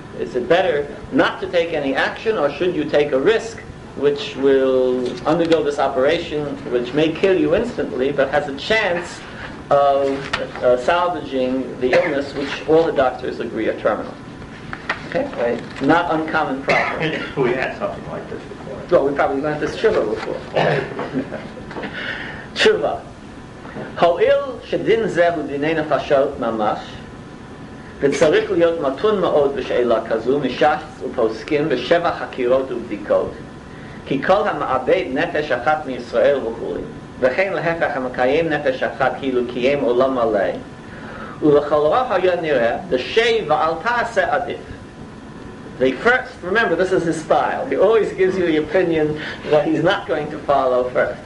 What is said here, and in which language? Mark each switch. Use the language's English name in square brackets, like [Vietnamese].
[English] Is it better not to take any action, or should you take a risk which will undergo this operation, which may kill you instantly, but has a chance of salvaging the illness, which all the doctors agree are terminal? Okay, right. Not uncommon problem. We had something like this before. Well, we probably learned this tshuva before. Tshuva. [Hebrew] Ho'il shedin zeh u'dinei nefashot mamash, וצריך להיות מתון מאוד בשאלה כזו, משחץ ופוסקים בשבע חקירות ובדיקות. כי כל המעבד נפש אחת מישראל וכולי, וכן להפך המקיים נפש אחת כאילו קיים עולם מלא. ולכל רוב היה נראה, דשי ועל תעשה עדיף. [English] the first, remember, this is his style. He always gives you the opinion that he's not going to follow first.